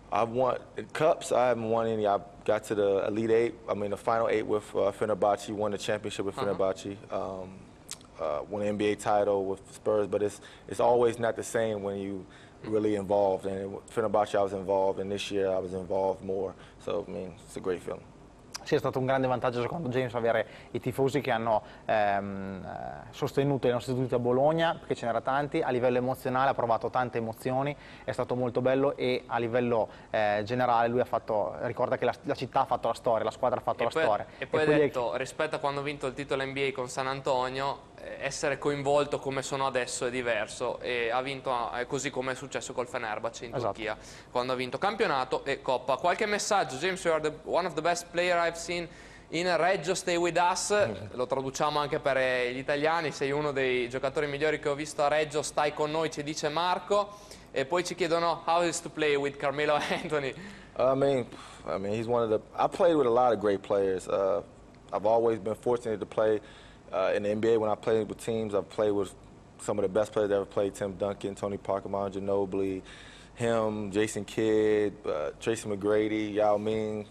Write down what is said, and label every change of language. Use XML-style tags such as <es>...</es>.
<en>I've won cups. I haven't won any. I got to the Elite Eight. I mean, the Final Eight with Fenerbahce. Won the championship with Fenerbahce. Won the NBA title with Spurs. But it's always not the same when you really involved. And Fenerbahce, I was involved. And this year, I was involved more. So I mean, it's a great feeling.</en> <it>Sì, è stato un grande vantaggio secondo James avere i tifosi che hanno sostenuto i nostri studi a Bologna, perché ce n'era tanti. A livello emozionale ha provato tante emozioni, è stato molto bello, e a livello generale lui ha fatto, ricorda che la città ha fatto la storia, la squadra ha fatto la storia. E poi ha detto, rispetto a quando ho vinto il titolo NBA con San Antonio, essere coinvolto come sono adesso è diverso, e ha vinto così come è successo col Fenerbahce in Turchia, esatto, quando ha vinto campionato e coppa. Qualche messaggio:</it> <en>James, you are one of the best player I've seen in Reggio, stay with us.</en> <it>Lo traduciamo anche per gli italiani: sei uno dei giocatori migliori che ho visto a Reggio, stai con noi, ci dice Marco. E poi ci chiedono:</it> <en>how is to play with Carmelo Anthony? I mean he's one of the, I played with a lot of great players. I've always been fortunate to play in the NBA. When I played with teams, I've played with some of the best players that ever played: Tim Duncan, Tony Parker, Manu Ginobili, him, Jason Kidd, Tracy McGrady, Yao Ming.</en>